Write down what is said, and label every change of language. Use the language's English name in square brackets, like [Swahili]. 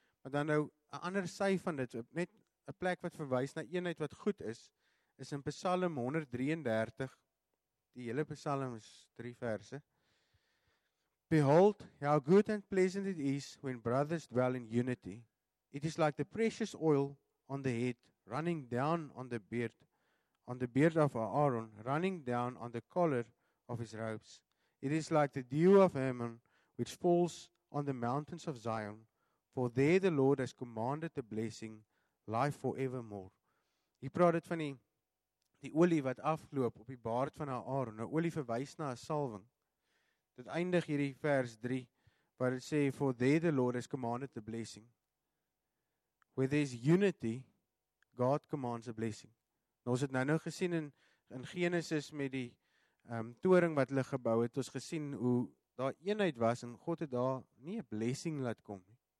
[Afrikaans] Maar dan nou, 'n ander sy van dit, net 'n plek wat verwys na eenheid wat goed is, is in Psalm 133, die hele Psalm is 3 verse. [English] Behold, how good and pleasant it is when brothers dwell in unity. It is like the precious oil on the head, running down on the beard of Aaron, running down on the collar of his robes. It is like the dew of Hermon, which falls on the mountains of Zion, for there the Lord has commanded the blessing, life forevermore. [Afrikaans] Hy praat dit van die olie wat afloop op die baard van Aaron, nou olie verwys na 'n salwing. Dit eindig hierdie vers 3, waar dit sê, [English] for there the Lord has commanded the blessing. Where there is unity, God commands a blessing. [Afrikaans] Nou, ons het nou gesien in Genesis met die toring wat hulle gebou het, ons gesien hoe daar eenheid was en God het daar nie 'n blessing laat kom nie.